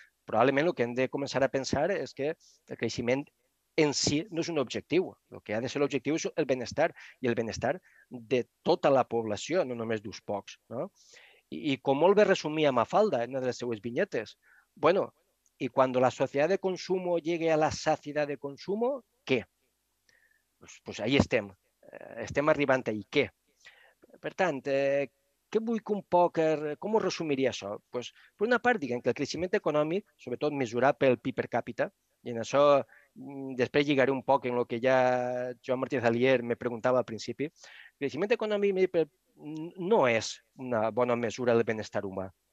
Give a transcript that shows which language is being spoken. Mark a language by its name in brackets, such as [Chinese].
[Catalan] Probablement el que hem de començar a pensar és que el creixement en si no és un objectiu. El que ha de ser l'objectiu és el benestar i el benestar de tota la població, no només d'uns pocs. No? I com molt bé resumia Mafalda en una de les seues vinyetes, bueno, [Spanish] Y cuando la sociedad de consumo llegue a la saciedad de consumo, ¿qué? Pues ahí [Catalan] estem. Estem arribant ahí, ¿qué? Per tant, què vull que un poc, com ho resumiria això? Pues, per una part, diguem que el creixement econòmic, sobretot mesurat pel PIB per càpita, i en això després lligaré un poc en el que ja Joan Martínez Alier me preguntava al principi, el creixement econòmic no és una bona mesura del benestar humà.